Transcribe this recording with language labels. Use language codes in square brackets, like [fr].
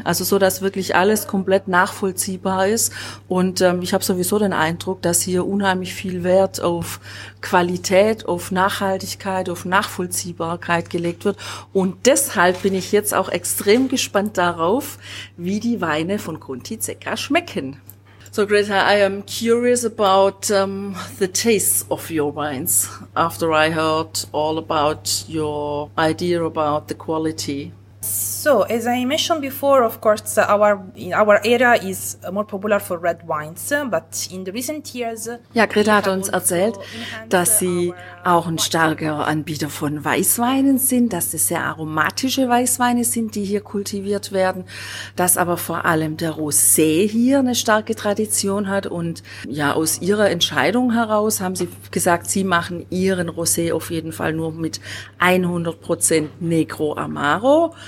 [de] Also so, dass wirklich alles komplett nachvollziehbar ist. Und ich habe sowieso den Eindruck, dass hier unheimlich viel Wert auf Qualität, auf Nachhaltigkeit, auf Nachvollziehbarkeit gelegt wird. Und deshalb bin ich jetzt auch extrem gespannt darauf, wie die Weine von Conti Zecca schmecken. [en] So Greta, I am curious about the taste of your wines after I heard all about your idea about the quality. So, as I mentioned before, of course, our area is more popular for red wines, but in the recent years... [de] Ja, Greta hat uns erzählt, dass sie auch ein starker Anbieter von Weißweinen sind, dass es sehr aromatische Weißweine sind, die hier kultiviert werden, dass aber vor allem der Rosé hier eine starke Tradition hat. Und ja, aus ihrer Entscheidung heraus haben sie gesagt, sie machen ihren Rosé auf jeden Fall nur mit 100% Negro Amaro.